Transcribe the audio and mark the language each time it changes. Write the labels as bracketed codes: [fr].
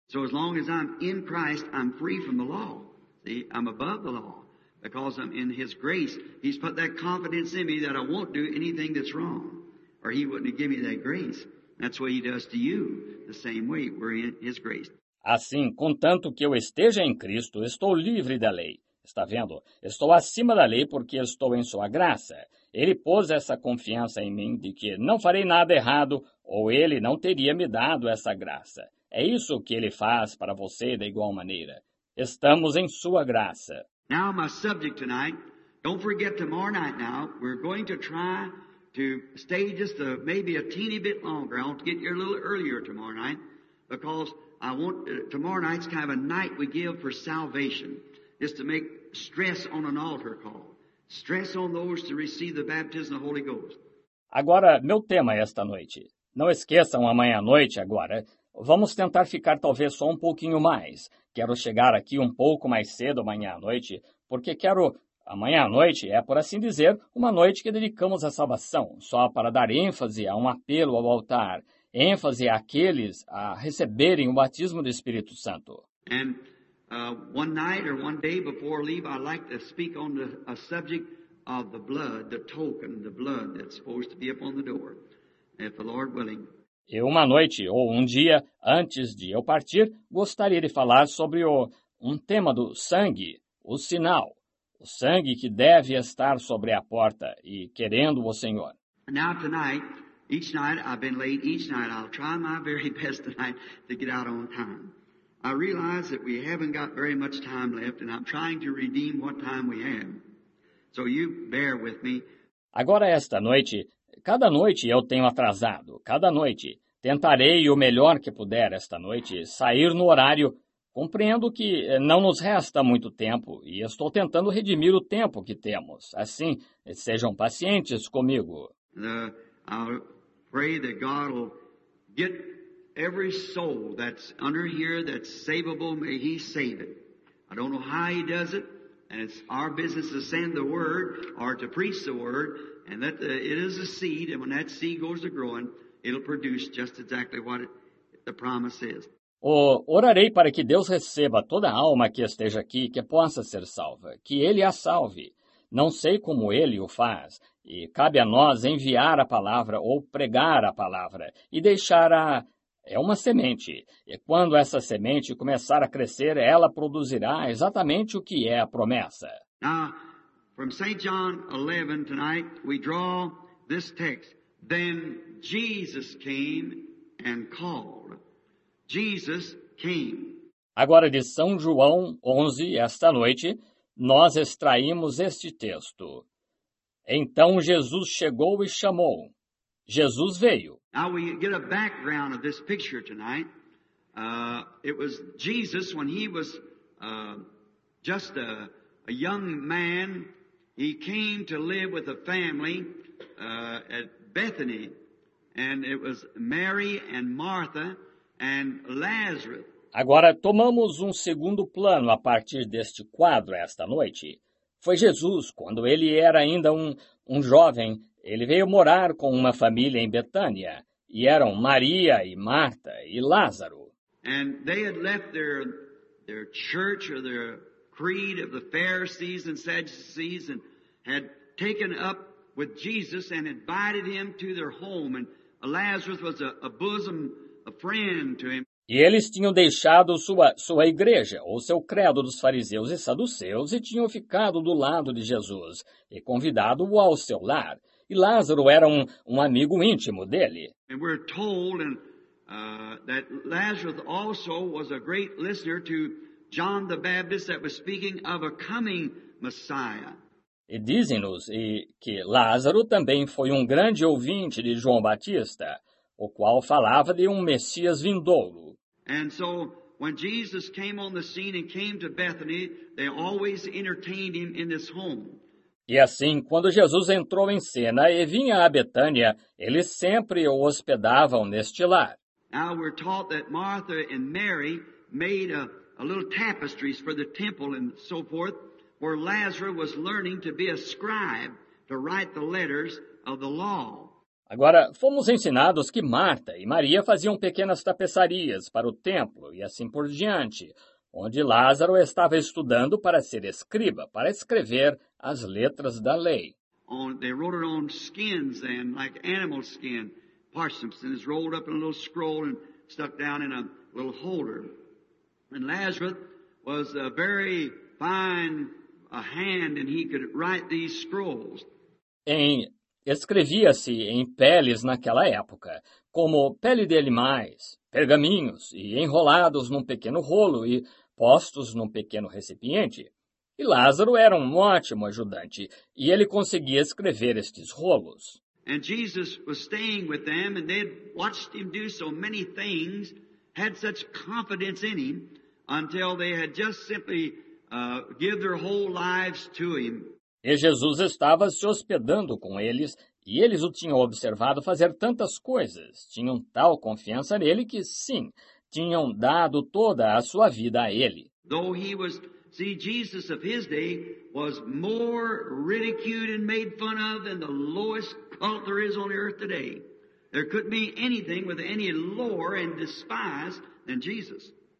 [en] So as long as I'm in Christ, I'm free from the law. See, I'm above the law. Because I'm in His grace, He's put that confidence in me that I won't do anything that's wrong. Or He wouldn't give me that grace. That's what He does to you, the same way we're in His grace. [pt] Assim, contanto que eu esteja em Cristo, estou livre da lei. Está vendo? Estou acima da lei porque estou em sua graça. Ele pôs essa confiança em mim de que não farei nada errado ou ele não teria me dado essa graça. É isso que ele faz para você da igual maneira. Estamos em sua graça. [en] Now my subject tonight, don't forget tomorrow night now, we're going to try to stay just maybe a teeny bit longer. I want to get here a little earlier tomorrow night because I want tomorrow night's kind of a night we give for salvation, just to make stress on an altar call, stress on those to receive the baptism of the Holy Ghost. [pt] Agora, meu tema esta noite. Não esqueçam amanhã à noite agora. Vamos tentar ficar talvez só um pouquinho mais. Quero chegar aqui um pouco mais cedo amanhã à noite, porque quero... Amanhã à noite é, por assim dizer, uma noite que dedicamos à salvação, só para dar ênfase a um apelo ao altar. Ênfase àqueles a receberem o batismo do Espírito Santo. [en] And one night or one day before I leave, I like to speak on a subject of the blood, the token, the blood that's supposed to be upon the door, if the Lord willing. [pt] E uma noite ou um dia antes de eu partir, gostaria de falar sobre um tema do sangue, o sinal, o sangue que deve estar sobre a porta e querendo o Senhor. [en] Now tonight. Each night, I've been late each night. I'll try my very best tonight to get out on time. I realize that we haven't got very much time left, and I'm trying to redeem what time we have. So you bear with me. [pt] Agora esta noite, cada noite eu tenho atrasado. Cada noite, tentarei o melhor que puder esta noite, sair no horário. Compreendo que não nos resta muito tempo, e estou tentando redimir o tempo que temos. Assim, sejam pacientes comigo. [en] I'll pray that God will get every soul that's under here that's savable, may He save it. I don't know how He does it, and it's our business to send the word or to preach the word, and that it is a seed, and when that seed goes to growing, it'll produce just exactly what the promise is. [pt] Orarei para que Deus receba toda a alma que esteja aqui, que possa ser salva, que Ele a salve. Não sei como Ele o faz, e cabe a nós enviar a palavra ou pregar a palavra e deixar a... É uma semente, e quando essa semente começar a crescer, ela produzirá exatamente o que é a promessa. [en] Now, from St. John 11 tonight, we draw this text. Then Jesus came and called. Jesus came. [pt] Agora de São João 11, esta noite... Nós extraímos este texto. Então Jesus chegou e chamou. Jesus veio. [en] Now we get a background of this picture tonight. It was Jesus when he was just a young man. He came to live with a family at Bethany. And it was Mary and Martha and Lazarus. [pt] Agora, tomamos um segundo plano a partir deste quadro esta noite. Foi Jesus, quando ele era ainda um jovem, ele veio morar com uma família em Betânia, e eram Maria e Marta e Lázaro. [en] And they had left their church or their creed of the Pharisees and Sadducees and had taken up with Jesus and invited him to their home. And Lazarus was a bosom friend to him. [pt] E eles tinham deixado sua igreja, ou seu credo dos fariseus e saduceus, e tinham ficado do lado de Jesus e convidado-o ao seu lar. E Lázaro era um amigo íntimo dele. E nós somos dito [en] that Lazarus also was a great listener to John the Baptist that was speaking of a coming Messiah. [pt] E dizem-nos que Lázaro também foi um grande ouvinte de João Batista, o qual falava de um Messias vindouro. [en] And so when Jesus came on the scene and came to Bethany, they always entertained him in this home. [pt] E assim, quando Jesus entrou em cena e vinha a Betânia, eles sempre o hospedavam neste lar. [en] Now we're taught that Martha and Mary made a little tapestries for the temple and so forth, where Lazarus was learning to be a scribe to write the letters of the law. [pt] Agora, fomos ensinados que Marta e Maria faziam pequenas tapeçarias para o templo e assim por diante, onde Lázaro estava estudando para ser escriba, para escrever as letras da lei. [en] They wrote it on skins and like animal skin. Parchments, and it's rolled up in a little scroll and stuck down in a little holder. And Lazarus was a very fine hand, and he could write these scrolls. [pt] Escrevia-se em peles naquela época, como pele de animais, pergaminhos, e enrolados num pequeno rolo e postos num pequeno recipiente. E Lázaro era um ótimo ajudante, e ele conseguia escrever estes rolos. [en] And Jesus was staying with them, and they had watched him do so many things, had such confidence in him, until they had just simply give their whole lives to him. [pt] E Jesus estava se hospedando com eles, e eles o tinham observado fazer tantas coisas. Tinham tal confiança nele que, sim, tinham dado toda a sua vida a ele. [en] Though he was, see, Jesus of his day was more ridiculed and made fun of than the lowest cult there is on earth today. There couldn't be anything with any lower and despised than Jesus.